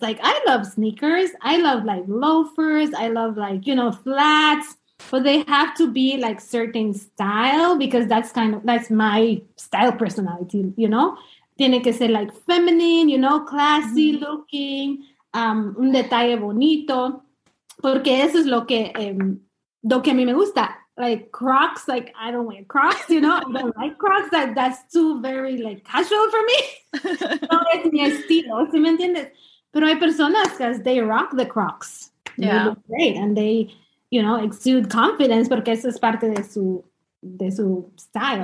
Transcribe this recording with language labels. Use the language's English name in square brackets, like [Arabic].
[English] Like, I love sneakers. I love like loafers. I love like, you know, flats, but they have to be like certain style, because that's kind of, that's my style personality, you know, [Spanish] tiene que ser [English] like feminine, you know, classy looking, [Spanish] un detalle bonito. Porque eso es lo que a mí me gusta. [English] Like Crocs, like I don't wear Crocs, you know? I don't like Crocs. Like, that's too very like casual for me. [Spanish] No es mi estilo, ¿sí me entiendes? Pero hay personas que [English] they rock the Crocs. Yeah. They look great and they, you know, exude confidence [Spanish] porque eso es parte de su [English] style.